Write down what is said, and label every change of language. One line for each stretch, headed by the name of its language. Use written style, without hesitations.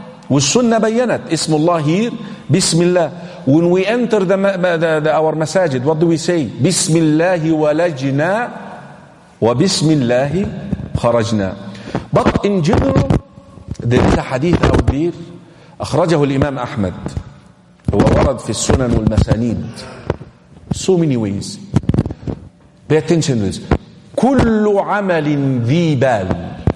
Arabic: والسنة بيّنت اسم الله
English: here,
Arabic: بسم الله.
English: When we enter our masajid, what do we say?
Arabic: بسم الله ولجنا وبسم الله خرجنا.
English: But in general, there is a hadith out there,
Arabic: أخرجه الإمام أحمد, وورد في السنن والمسانيد.
English: So many ways. Pay attention to this.
Arabic: كل عمل ذي بال.